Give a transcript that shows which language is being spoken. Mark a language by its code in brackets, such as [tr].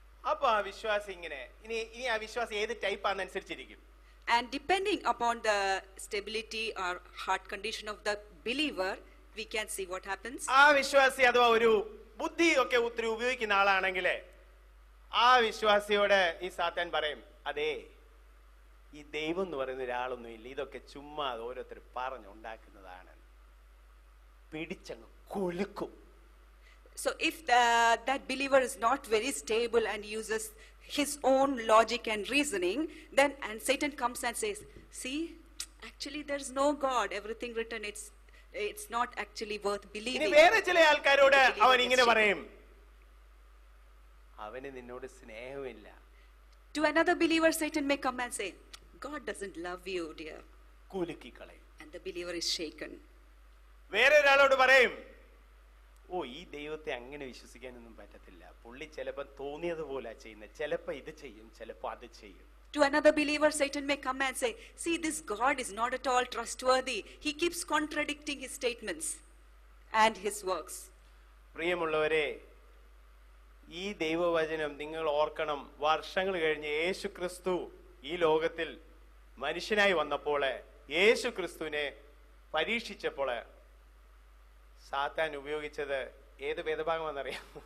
[ml] അപ്പോ ആ വിശ്വാസി ഇങ്ങനെ, ഇനി ആ വിശ്വാസി ഏത് ടൈപ്പ് ആണെന്ന് അനുസരിച്ചിരിക്കും. [en] And depending upon the stability or heart condition of the believer, we can see what happens. [ml] ആ വിശ്വാസി അഥവാ ഒരു ബുദ്ധി ഒക്കെ ഉത്തിരി ഉപയോഗിക്കുന്ന ആളാണെങ്കിൽ ആ വിശ്വാസിയോട് ഈ സാത്താൻ പറയും, അതേ, ഈ ദൈവം എന്ന് പറയുന്ന ഒരാളൊന്നും ഇല്ല, ഇതൊക്കെ ചുമ്മാ ഓരോരുത്തർ പറഞ്ഞുണ്ടാക്കുന്നതാണ്, പിടിച്ചങ്ങ് കൊളുക്കും. [en] So if that believer is not very stable and uses his own logic and reasoning, then and Satan comes and says, see, actually there's no God, everything written, it's not actually worth believing. [ml] ഇനി വേറെ ചില ആൾക്കാരോട് അവൻ ഇങ്ങനെ പറയും, അവനെ നിന്നോട് സ്നേഹമില്ല. [en] To another believer, Satan may come and say, God doesn't love you, dear. [ml] കുലുക്കി കളയും. [en] And the believer is shaken. [ml] വേറെ ഒരാളോട് പറയും, ഓ, ഈ ദൈവത്തെ അങ്ങനെ വിശ്വസിക്കാനൊന്നും പറ്റത്തില്ല, പുള്ളി ചിലപ്പോ തോന്നിയതുപോലെ ചെയ്യുന്നത്, ചിലപ്പോ ഇത് ചെയ്യും, ചിലപ്പോ അത് ചെയ്യും. [en] To another believer, Satan may come and say, see, this God is not at all trustworthy. He keeps contradicting his statements and his works. [ml] പ്രിയമുള്ളവരെ, ഈ ദൈവവചനം നിങ്ങൾ ഓർക്കണം. വർഷങ്ങൾ കഴിഞ്ഞ് യേശു ക്രിസ്തു ഈ ലോകത്തിൽ മനുഷ്യനായി വന്നപ്പോൾ, യേശു ക്രിസ്തുവിനെ പരീക്ഷിച്ചപ്പോൾ സാത്താൻ ഉപയോഗിച്ചത് ഏത് വേദഭാഗമാണെന്നറിയാം?